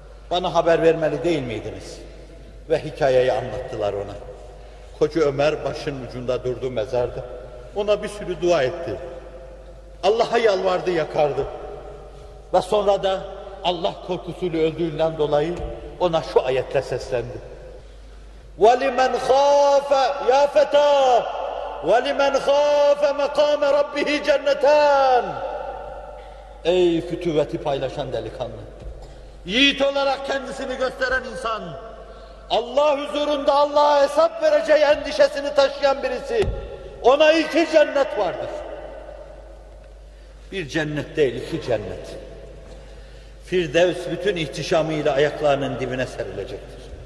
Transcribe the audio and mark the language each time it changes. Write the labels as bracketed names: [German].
[Turkish] Bana haber vermeli değil miydiniz? Ve hikayeyi anlattılar ona. Koca Ömer başın ucunda durdu mezarda. Ona bir sürü dua etti. Allah'a yalvardı, yakardı. Ve sonra da Allah korkusuyla öldüğünden dolayı ona şu ayetle seslendi. [Arabic] وَلِمَنْ خَافَ يَا فَتَى وَلِمَنْ خَافَ مَقَامَ رَبِّهِ جَنَّتَانِ [Turkish] Ey fütüveti paylaşan delikanlı! Yiğit olarak kendisini gösteren insan, Allah huzurunda Allah'a hesap vereceği endişesini taşıyan birisi, ona iki cennet vardır. Bir cennet değil, iki cennet. Firdevs bütün ihtişamıyla ayaklarının dibine serilecektir.